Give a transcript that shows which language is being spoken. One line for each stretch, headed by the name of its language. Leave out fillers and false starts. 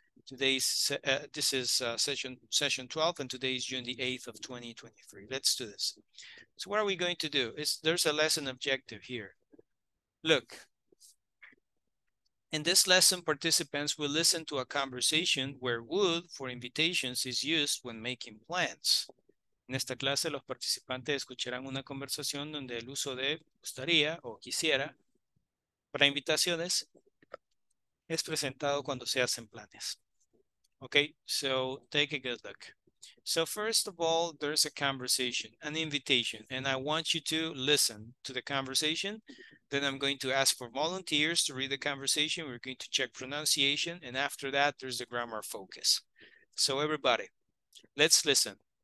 English: Today's this is session 12, and today is June the 8th of 2023. Let's do this. So what are we going to do? There's a lesson objective here. Look, in this lesson, participants will listen to a conversation where would for invitations is used when making plans.
Spanish: En esta clase, los participantes escucharán una conversación donde el uso de gustaría o quisiera para invitaciones es presentado cuando se hacen planes.
English: Okay, so take a good look. So first of all, there's a conversation, an invitation, and I want you to listen to the conversation. Then I'm going to ask for volunteers to read the conversation. We're going to check pronunciation. And after that, there's the grammar focus. So everybody, let's listen.